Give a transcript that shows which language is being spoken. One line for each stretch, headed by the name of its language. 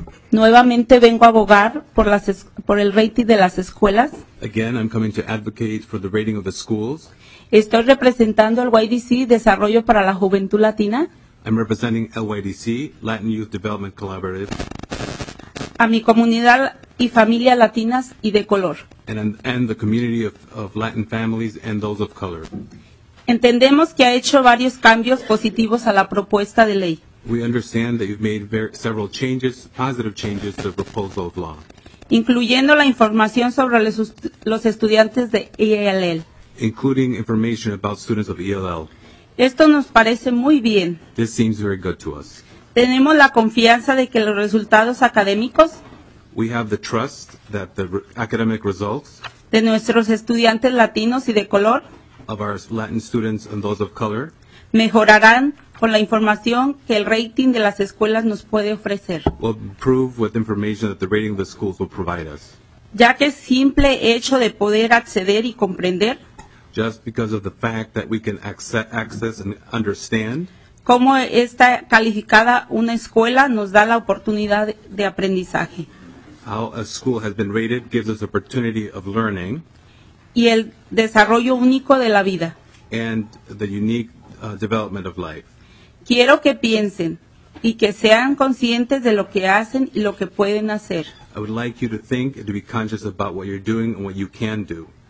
Spanish: Nuevamente vengo a abogar por el rating de las escuelas.
English: Again, I'm coming to advocate for the rating of the schools.
Spanish: Estoy representando al YDC Desarrollo para la Juventud Latina.
English: I'm representing LYDC, Latin Youth Development Collaborative.
Spanish: A mi comunidad y familia latinas y de color.
English: And the community of Latin families and those of color.
Spanish: Entendemos que ha hecho varios cambios positivos a la propuesta de ley.
English: We understand that you've made several changes, positive changes to the proposal of law.
Spanish: Incluyendo la información sobre los estudiantes de ELL.
English: Including information about students of ELL.
Spanish: Esto nos parece muy bien.
English: This seems very good to us.
Spanish: Tenemos la confianza de que los resultados académicos
English: We have the trust that the academic results
Spanish: de nuestros estudiantes latinos y de color
English: of our Latin students and those of color
Spanish: mejorarán con la información que el rating de las escuelas nos puede ofrecer.
English: Will improve with information that the rating of the schools will provide us.
Spanish: Ya que simple hecho de poder acceder y comprender
English: just because of the fact that we can access and understand
Spanish: cómo está calificada una escuela nos da la oportunidad de aprendizaje.
English: How a school has been rated gives us opportunity of learning.
Spanish: Y el desarrollo único de la vida.
English: And the unique development of life.
Spanish: Quiero que piensen y que sean conscientes de lo que hacen y lo que pueden hacer.
English: I would like you to think and to be conscious about what you're doing and what you can do.